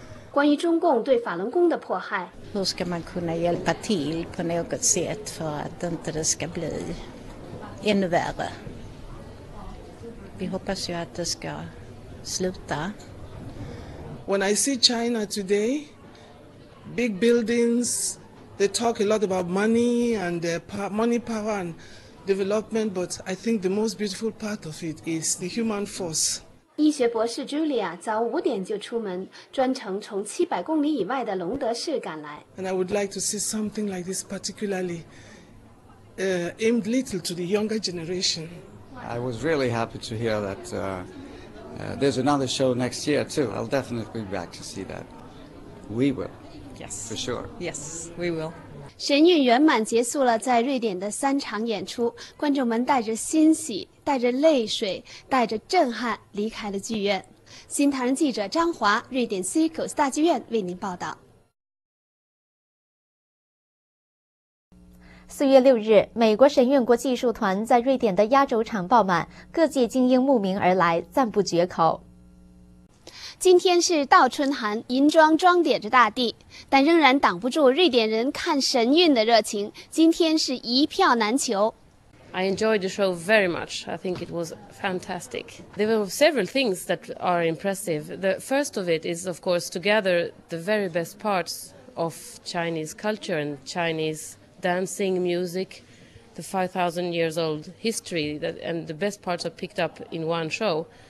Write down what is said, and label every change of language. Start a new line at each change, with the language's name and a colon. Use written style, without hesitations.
Chinese: 关于中共对法轮功的迫害。
Swedish: Hur ska man kunna hjälpa till på något sätt för att inte det ska bli ännu värre? Vi hoppas ju att det ska sluta.
English: When I see China today, big buildings,They talk a lot about money and their money power and development, but I think the most beautiful part of it is the human force.
Chinese: 医学博士 Julia 早五点就出门，专程从700公里以外的隆德市赶来。
English: And I would like to see something like this, particularly aimed little to the younger generation. I was really happy to hear that there's another show next year too. I'll definitely be back to see that. We will. Yes, for sure. Yes, we will.
Chinese: 神韵圆满结束了在瑞典的三场演出，观众们带着欣喜，带着泪水，带着震撼离开了剧院。新唐人记者张华，瑞典 Cirkus 大剧院为您报道。 4月6日，美国神韵国际艺术团在瑞典的压轴场爆满，各界精英慕名而来，赞不绝口。今天是倒春寒，银装装点着大地，但仍然挡不住瑞典人看神韵的热情。今天是一票难求。
English: I enjoyed the show very much. I think it was fantastic. There were several things that are impressive. The first of it is, of course, to gather the very best parts of Chinese culture and Chinese dancing, music, the 5,000 years old history, that, and the best parts are picked up in one show.